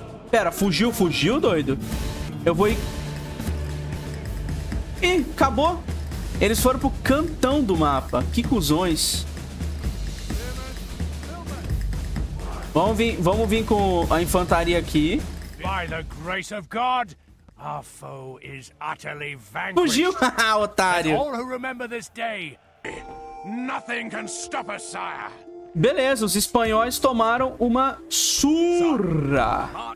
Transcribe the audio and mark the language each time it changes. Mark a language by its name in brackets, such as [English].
[Portuguese] Pera, fugiu, fugiu, doido? Eu vou ir... Ih, acabou. Eles foram pro cantão do mapa. Que cuzões. Vamos vir com a infantaria aqui. [English] By the grace of God, our foe is utterly vanquished. [Portuguese] Fugiu, otário. [English] All who remember this day, nothing can stop us, sire. [Portuguese] Beleza, os espanhóis tomaram uma surra.